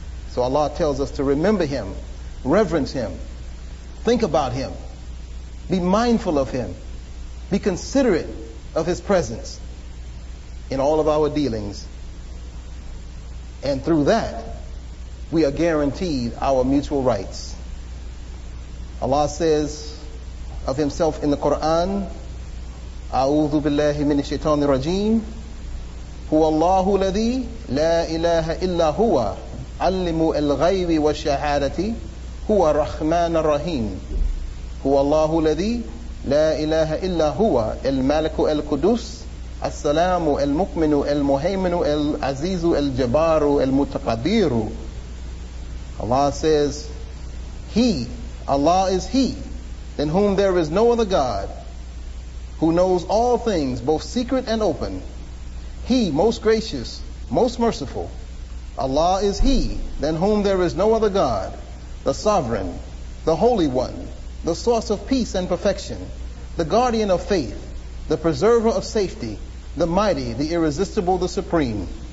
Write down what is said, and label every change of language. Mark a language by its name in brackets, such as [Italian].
[English] So Allah tells us to remember him, reverence him, think about him, be mindful of him, be considerate of his presence in all of our dealings. And through that, we are guaranteed our mutual rights. Allah says of himself in the Quran, [Arabic] أعوذ بالله من الشيطان الرجيم هو الله الذي لا إله إلا هو علموا الغيب والشهادة هو الرحمن الرحيم هو الله الذي لا إله إلا هو الملك القدوس السلام المؤمن المهيمن العزيز الجبار المتقدير. [English] Allah says, He, Allah is He, in whom there is no other God, who knows all things, both secret and open. He, most gracious, most merciful. Allah is He, than whom there is no other God, the Sovereign, the Holy One, the source of peace and perfection, the guardian of faith, the preserver of safety, the mighty, the irresistible, the supreme.